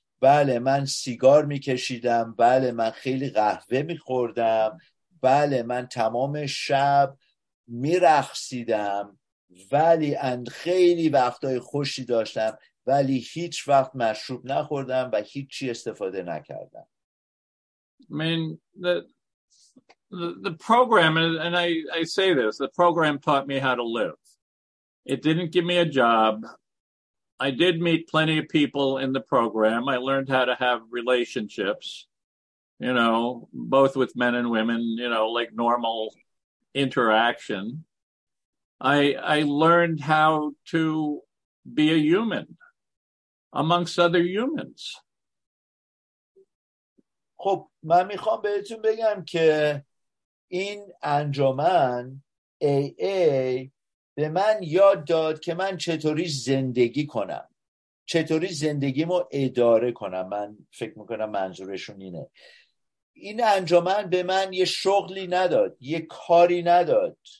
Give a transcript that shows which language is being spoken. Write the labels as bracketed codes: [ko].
[fa] بله من سیگار میکشیدم، بله من خیلی قهوه میخوردم، بله من تمام شب میرقصیدم ولی اند خیلی وقتای خوشی داشتم ولی هیچ وقت مشروب نخوردم و هیچی استفاده نکردم. [en] I mean, the program, and I say this, the program taught me how to live. It didn't give me a job. I did meet plenty of people in the program. I learned how to have relationships, you know, both with men and women, you know, like normal interaction. I learned how to be a human amongst other humans. [fa] خب من میخوام بهتون بگم که این انجمن AA به من یاد داد که من چطوری زندگی کنم، چطوری زندگیمو اداره کنم. من فکر میکنم منظورشون اینه. این انجمن به من یه شغلی نداد، یه کاری نداد.